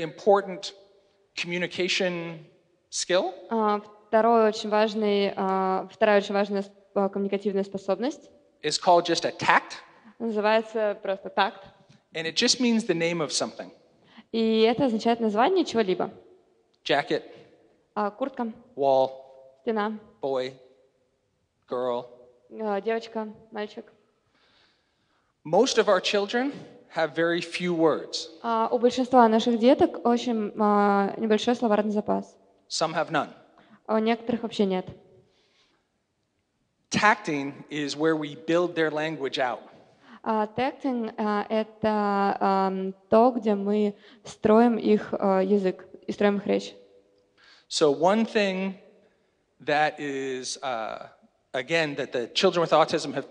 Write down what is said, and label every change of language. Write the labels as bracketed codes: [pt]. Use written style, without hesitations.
[en] important communication skill. [ru] Вторая очень важная коммуникативная способность. [en] Is called just a tact. [ru] Называется просто такт. [en] And it just means the name of something. [ru] И это означает название чего-либо. [en] Jacket. [ru] Куртка. [en] Wall. [ru] Стена. [en] Boy. Girl. [ru] Девочка, мальчик. [en] Most of our children have very few words. [ru] У большинства наших деток очень небольшой словарный запас. [en] Some have none. [ru] А у некоторых вообще нет. [en] Tacting is where we build their language out. [ru] Tacting это то, где мы строим их язык и строим их речь. [en] So one thing that is again that the children with autism have.